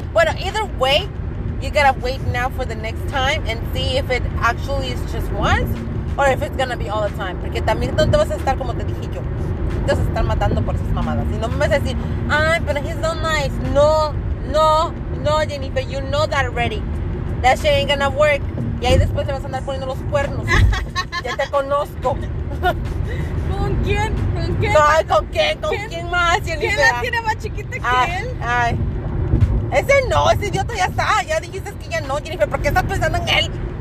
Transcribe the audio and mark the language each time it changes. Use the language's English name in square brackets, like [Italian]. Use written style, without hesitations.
[Spanish] Bueno, [English] either way, you gotta wait now for the next time and see if it actually is just once or if it's gonna be all the time. [Spanish] Porque también no te vas a estar como te dije yo. Te vas a estar matando por esas mamadas. Y no me vas a decir, ay, pero [English] he's not nice. No, no, no, Jennifer, you know that already. That shit ain't gonna work. [Spanish] Y ahí después te vas a andar poniendo los cuernos. Ya te conozco. ¿Con quién? ¿Con quién? No, ¿con quién? ¿Con quién más, Jennifer? ¿Quién la tiene más chiquita que ay, él? Ay. Ese no, ese idiota ya está. Ya dijiste que ya no, Jennifer. ¿Por qué estás pensando en él?